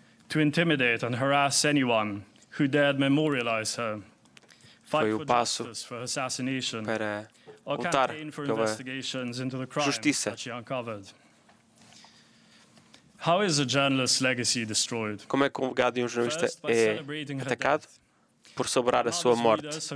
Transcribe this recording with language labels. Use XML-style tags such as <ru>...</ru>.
<en>To intimidate and harass anyone who dared memorialize her.</en> <pt>Foi o passo para lutar pela justiça.</pt> <en>How is a journalist's legacy destroyed?</en> <pt>Como é que um legado de um jornalista é atacado por celebrar a sua morte?</pt>